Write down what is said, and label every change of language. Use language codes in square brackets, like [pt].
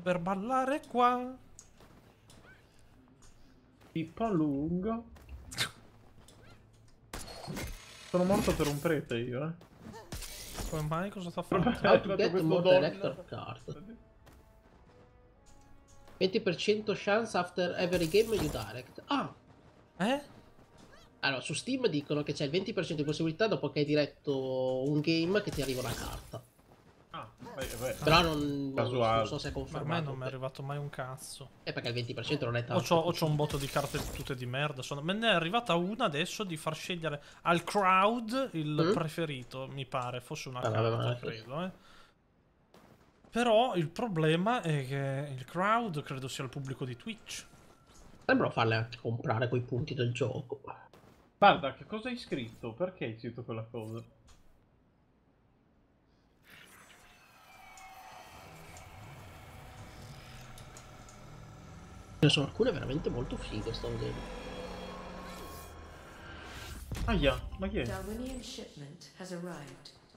[it] Per ballare qua. Tipo lungo. Sono morto per un prete io, Come mai? Cosa sta facendo? Ah, tu hai detto morte electro card. [en] 20% chance after every game you direct. Ah! [it] Allora, su Steam dicono che c'è il 20% di possibilità dopo che hai diretto un game che ti arriva una carta. Beh. Però non so se è confermato. Ma a me non mi è arrivato mai un cazzo. È perché il 20% non è tanto. Ho un botto di carte tutte di merda. Me ne è arrivata una adesso di far scegliere al crowd il preferito, mi pare. Fosse una carta, credo. Però il problema è che il crowd credo sia il pubblico di Twitch. Sembra farle anche comprare quei punti del gioco. Guarda, che cosa hai scritto? Perché hai scritto quella cosa? Ce ne sono alcune veramente molto fighe, sto vedendo. Ahia, ma chi è? [en] Darwinian shipment has arrived.